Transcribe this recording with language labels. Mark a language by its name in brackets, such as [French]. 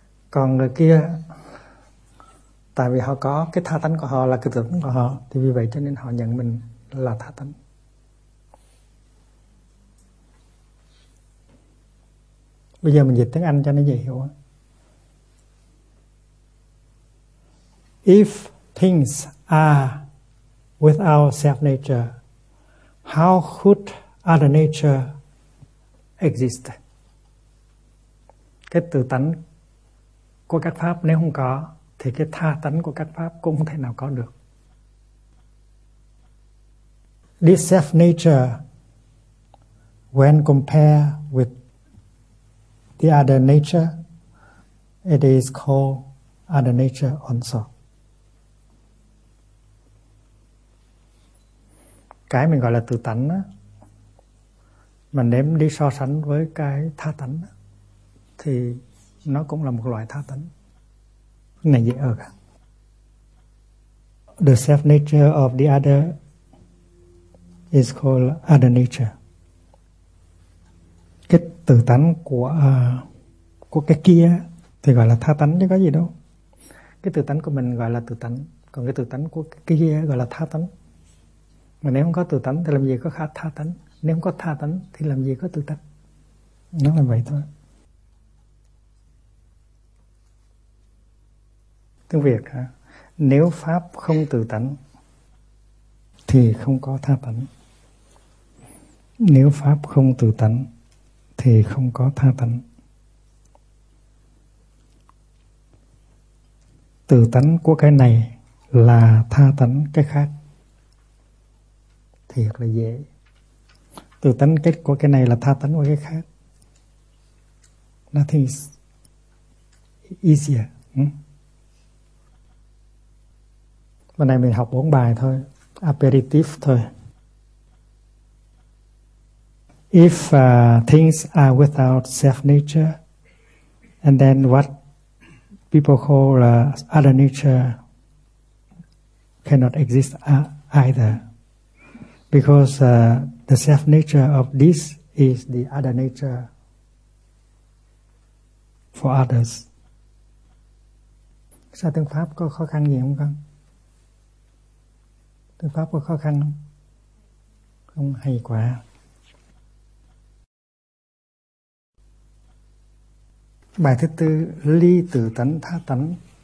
[Vietnamese] Còn người kia, tại vì họ có cái tha tánh của họ là cái tự tánh của họ, thì vì vậy cho nên họ nhận mình là tha tánh. Bây giờ mình dịch tiếng Anh cho nó dễ hiểu. [English] If things are without self nature, how could other nature exist? [Vietnamese] Cái tự tánh của các pháp nếu không có thì cái tha tánh của các pháp cũng không thể nào có được. [English] This self nature, when compared with the other nature, it is called other nature also. [Vietnamese] Cái mình gọi là tự tánh á, mà nếm đi so sánh với cái tha tánh thì nó cũng là một loại tha tánh. Này dễ ơi cả. [English] The self nature of the other is called other nature. [Vietnamese] Cái tự tánh của cái kia thì gọi là tha tánh chứ có gì đâu. Cái tự tánh của mình gọi là tự tánh, còn cái tự tánh của cái kia gọi là tha tánh. Mà nếu không có tự tánh thì làm gì có khả tha tánh? Nếu không có tha tánh thì làm gì có tự tánh? Nó là vậy thôi. Tiếng Việt hả? Nếu pháp không tự tánh thì không có tha tánh. Nếu pháp không tự tánh thì không có tha tánh. Tự tánh của cái này là tha tánh cái khác. Thiệt là dễ. Tự tánh kết của cái này là tha tánh của cái khác. [English] Nothing is easier. [Vietnamese] Bữa nay mình học 4 bài thôi. Aperitif thôi. [English] If things are without self-nature, and then what people call other nature cannot exist either. Because the self-nature of this is the other nature for others. [Vietnamese] Sao tiếng Pháp có khó khăn gì không con? Tiếng Pháp có khó khăn không? Không hay quá. Bài thứ tư, ly tử tánh tha tánh.